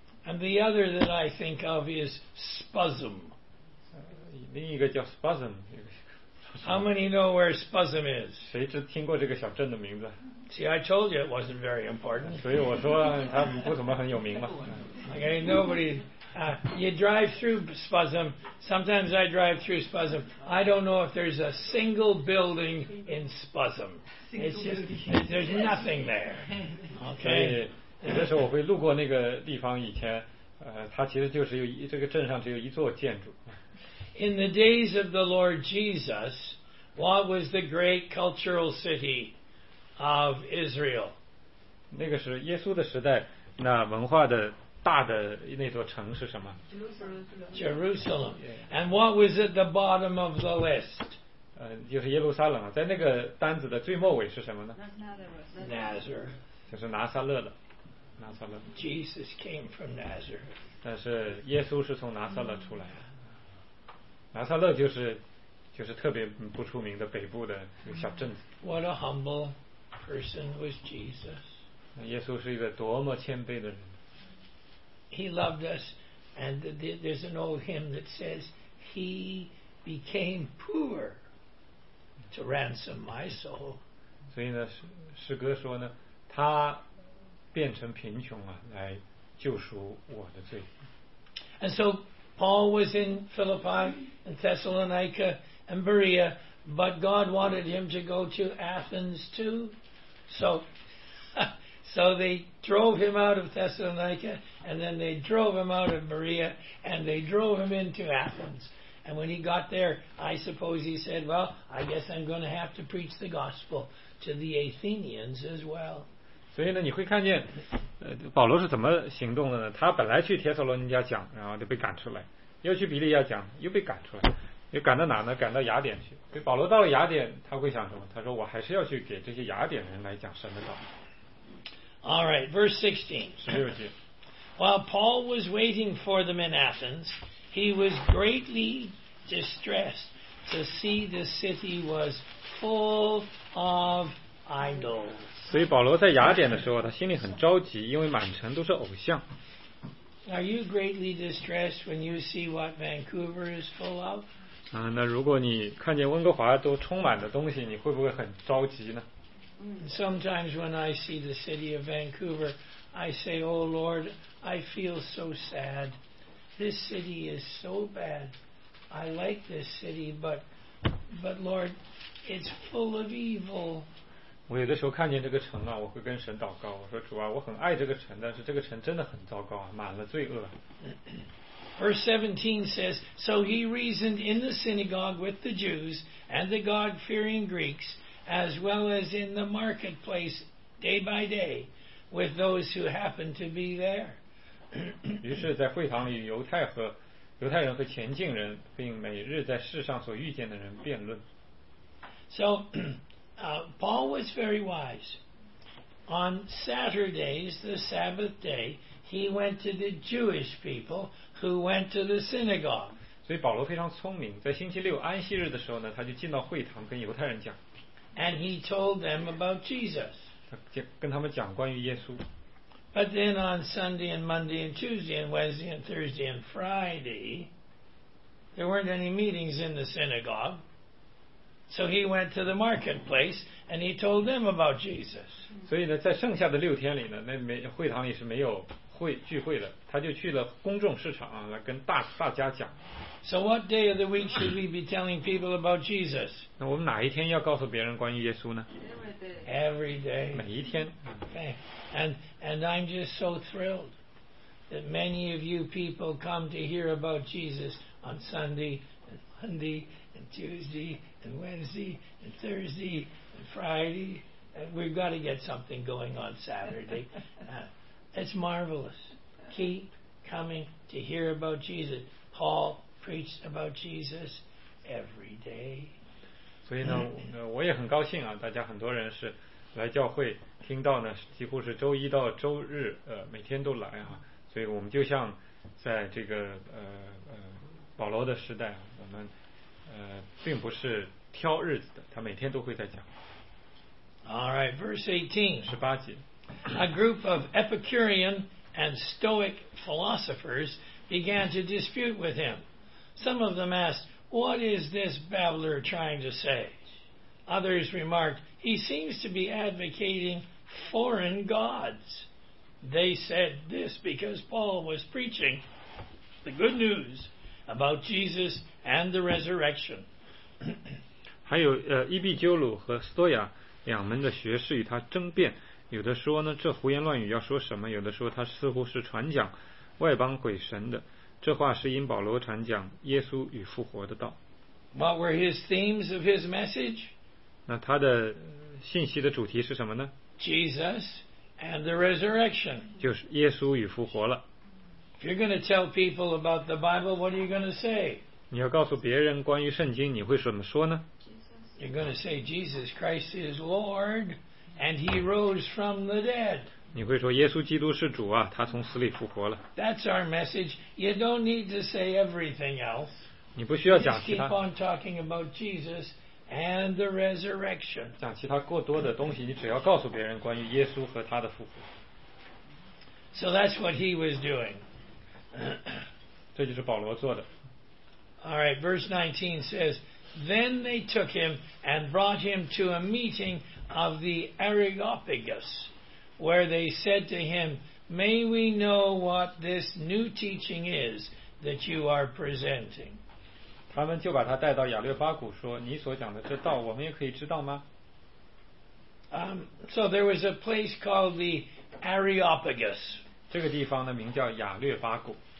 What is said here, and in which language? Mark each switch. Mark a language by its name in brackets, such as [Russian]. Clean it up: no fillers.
[English] And the other that I think of is Spuzzum. [Chinese] 另一个叫 Spuzzum. [English] How many know where Spuzzum is? [Chinese] 谁只听过这个小镇的名字？ [English] See, I told you it wasn't very important. [Chinese] 所以我说它不怎么很有名嘛。 [English] Okay, nobody. You drive through Spuzzum. Sometimes I drive through Spuzzum. I don't know if there's a single building in Spuzzum. It's just there's nothing there. Okay. [Chinese] 有的时候我会路过那个地方，以前，它其实就是有一这个镇上只有一座建筑。 [English] In the days of the Lord Jesus, what was the great cultural city of Israel? [Chinese] 那个是耶稣的时代，那文化的大的那座城是什么？ [English] Jerusalem. And what was at the bottom of the list? [Chinese] 就是耶路撒冷了，在那个单子的最末尾是什么呢？ [English] Nazareth. [Chinese] 就是拿撒勒了。 [English] Jesus came from Nazareth. [Chinese] 但是耶稣是从拿撒勒出来的。拿撒勒就是特别不出名的北部的小镇子。 [English] What a humble person was Jesus. [Chinese] 耶稣是一个多么谦卑的人。 [English] He loved us, and there's an old hymn that says, He became poor to ransom my soul. [Chinese] 所以呢，诗歌说呢，他变成贫穷啊，来救赎我的罪。 [English] And so Paul was in Philippi and Thessalonica and Berea, but God wanted him to go to Athens too. So, So they drove him out of Thessalonica, and then they drove him out of Berea, and they drove him into Athens. And when he got there, I suppose he said, well, I guess I'm going to have to preach the gospel to the Athenians as well. [Chinese] 所以呢，你会看见，保罗是怎么行动的呢？他本来去帖撒罗尼迦讲，然后就被赶出来；又去比利亚讲，又被赶出来；又赶到哪呢？赶到雅典去。所以保罗到了雅典，他会想什么？他说：“我还是要去给这些雅典人来讲神的道。” [English] All right, verse 16. While Paul was waiting for them in Athens, he was greatly distressed to see the city was full of idols. [Chinese] 所以保罗在雅典的时候，他心里很着急，因为满城都是偶像。 [English] Are you greatly distressed when you see what Vancouver is full of? [Chinese] 啊，那如果你看见温哥华都充满的东西，你会不会很着急呢？ [English] Sometimes when I see the city of Vancouver, I say, "Oh Lord, I feel so sad. This city is so bad. I like this city, but Lord, it's full of evil." [Chinese] 我有的时候看见这个城啊，我会跟神祷告，我说主啊，我很爱这个城，但是这个城真的很糟糕啊，满了罪恶。 [English] Verse 17 says, So he reasoned in the synagogue with the Jews and the God-fearing Greeks, as well as in the marketplace day by day with those who happened to be there. [Chinese] 于是在会堂里犹太人和前进人并每日在世上所遇见的人辩论。 [English] So, Paul was very wise. On Saturdays, the Sabbath day, he went to the Jewish people who went to the synagogue. [Chinese] 所以保罗非常聪明，在星期六安息日的时候呢，他就进到会堂跟犹太人讲。 [English] And he told them about Jesus. [Chinese] 他跟他们讲关于耶稣。 [English] But then on Sunday and Monday and Tuesday and Wednesday and Thursday and Friday, there weren't any meetings in the synagogue. So he went to the marketplace and he told them about Jesus. [Chinese] 所以呢，在剩下的六天里呢，那没会堂里是没有会聚会的，他就去了公众市场啊，来跟大家讲。 [English] So what day of the week should we be telling people about Jesus? [Chinese] 那我们哪一天要告诉别人关于耶稣呢？ [English] Every day. [Chinese] 每一天。 [English] Okay. And I'm just so thrilled that many of you people come to hear about Jesus on Sunday and Monday and Tuesday. And Wednesday and Thursday and Friday, and we've got to get something going on Saturday. It's marvelous. Keep coming to hear about Jesus. Paul preached about Jesus every day. [Chinese] 所以呢，我也很高兴啊，大家很多人是来教会听到呢，几乎是周一到周日，每天都来啊。所以我们就像在这个保罗的时代，我们。并不是挑日子的，他每天都会在讲。 [English] All right, verse 18. [Chinese] 十八节。 [English] A group of Epicurean and Stoic philosophers began to dispute with him. Some of them asked, "What is this babbler trying to say?" Others remarked, "He seems to be advocating foreign gods." They said this because Paul was preaching the good news. About Jesus and the resurrection. [Chinese] 还有伊壁鸠鲁和斯多亚两门的学士与他争辩，有的说呢这胡言乱语要说什么，有的说他似乎是传讲外邦鬼神的，这话是因保罗传讲耶稣与复活的道。 [English] What were his themes of his message? [Chinese] 那他的信息的主题是什么呢？ [English] Jesus and the resurrection. [Chinese] 就是耶稣与复活了。 [English] If you're going to tell people about the Bible, what are you going to say? [Chinese] 你要告诉别人关于圣经，你会怎么说呢？ [English] You're going to say Jesus Christ is Lord, and He rose from the dead. [Chinese] 你会说耶稣基督是主啊，他从死里复活了。 [English] That's our message. You don't need to say everything else. [Chinese] 你不需要讲其他。 [English] Just keep on talking about Jesus and the resurrection. [Chinese] 讲其他过多的东西，你只要告诉别人关于耶稣和他的复活。 [English] So that's what he was doing. [Chinese] 这就是保罗做的。 [English] All right, verse 19 says, Then they took him and brought him to a meeting of the Areopagus, where they said to him, May we know what this new teaching is that you are presenting? [Chinese] 他们就把他带到亚略巴谷说，你所讲的这道我们也可以知道吗？ [English] So there was a place called the Areopagus. [Chinese] 这个地方呢名叫亚略巴谷。